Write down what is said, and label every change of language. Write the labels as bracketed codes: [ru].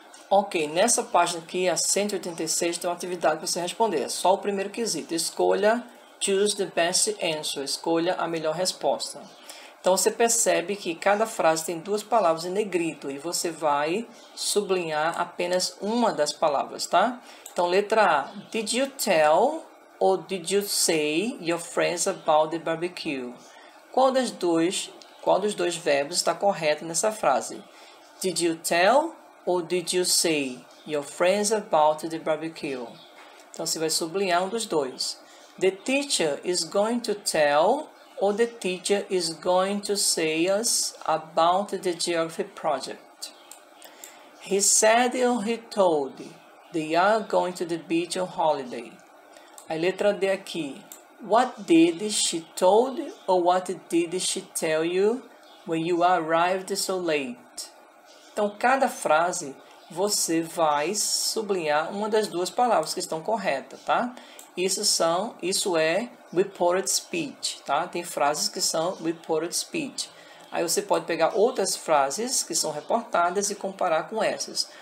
[pt] Ok, nessa página aqui, a 186, tem uma atividade para você responder. Só o primeiro quesito. Escolha, [en] choose the best answer. [pt] Escolha a melhor resposta. Então, você percebe que cada frase tem duas palavras em negrito e você vai sublinhar apenas uma das palavras, tá? Então, letra A, [en] did you tell or did you say your friends about the barbecue? [pt] Qual dos dois verbos está correto nessa frase? [en] Did you tell or did you say your friends about the barbecue? [pt] Então, você vai sublinhar um dos dois. [en] The teacher is going to tell or the teacher is going to say us about the geography project. He said or he told they are going to the beach on holiday. [pt] A letra D aqui. [en] What did she told or what did she tell you when you arrived so late? [pt] Então, cada frase, você vai sublinhar uma das duas palavras que estão corretas, tá? Isso é reported speech, tá? Tem frases que são reported speech. Aí você pode pegar outras frases que são reportadas e comparar com essas.